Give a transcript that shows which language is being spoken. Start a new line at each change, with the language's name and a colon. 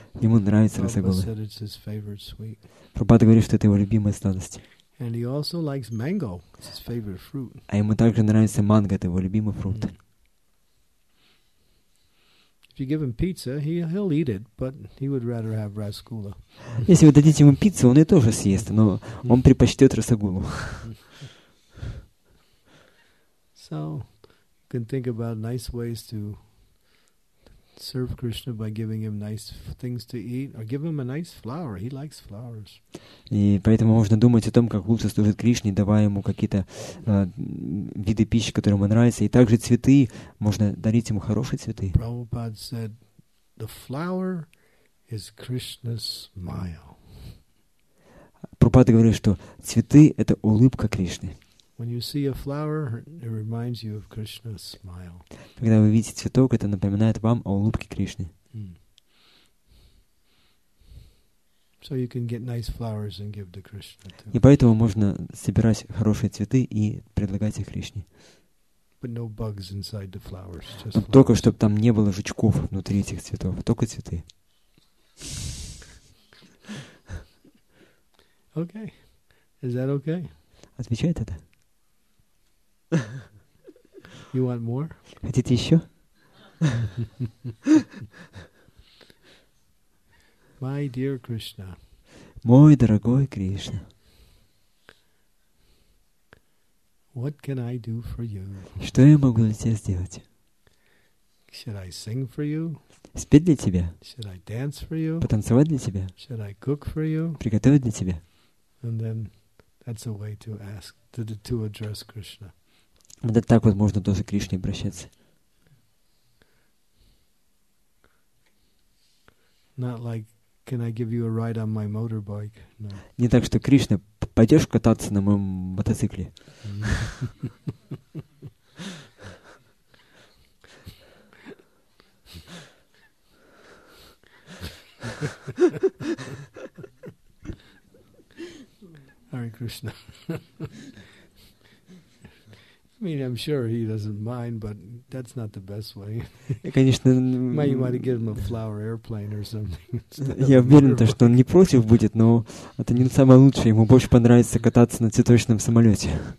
Russian: Ему нравится рассагула.
English: Prabhupada said it's his favorite sweet.
Russian: Prabhupada говорит, что это его любимая сладость.
English: And he also likes mango. It's his favorite fruit.
Russian: А ему также нравится манго, это его любимый фрукт.
English: If you give him pizza, he'll eat it, but he would rather have rasgulla.
Russian: Если вы дадите ему пиццу, он ее тоже съест, но он предпочтет рассагулу.
English: So, you can think about nice ways to serve Krishna by giving him nice things to eat or give him a nice flower. He likes flowers.
Russian: И поэтому можно думать о том, как лучше служить Кришне, давая ему какие-то виды пищи, которые ему нравятся, и также цветы, можно дарить ему хорошие цветы.
English: Prabhupada said, the flower is Krishna's smile.
Russian: Прабхупада говорит, что цветы – это улыбка Кришны.
English: When you see a flower, it reminds you of Krishna's smile.
Russian: Когда вы видите цветок, это напоминает вам о улыбке Кришны.
English: So you can get nice flowers and give to Krishna too.
Russian: И поэтому можно собирать хорошие цветы и предлагать их Кришне.
English: But no bugs inside the flowers.
Russian: Только чтобы там не было жучков внутри этих цветов, только цветы.
English: Okay, is that okay?
Russian: Отвечает это?
English: You want more?
Russian: Хотите еще?
English: My dear Krishna.
Russian: Мой дорогой Кришна.
English: What can I do for you?
Russian: Что я могу для тебя сделать?
English: Should I sing for you?
Russian: Спеть для тебя?
English: Should I dance for you?
Russian: Потанцевать для тебя?
English: Should I cook for you?
Russian: Приготовить для тебя?
English: And then that's a way to ask to address Krishna.
Russian: Вот так вот можно тоже к Кришне обращаться.
English: Not like, can I give you a ride on my motorbike? No.
Russian: Не так, что Кришна, пойдешь кататься на моем мотоцикле?
English: Hare Krishna. I mean, I'm sure he doesn't mind, but that's not the best way.
Russian: Конечно.
English: Might you want to give him a flower airplane or something?
Russian: Я уверен, что он не против будет, но это не самое лучшее. Ему больше понравится кататься на цветочном самолете.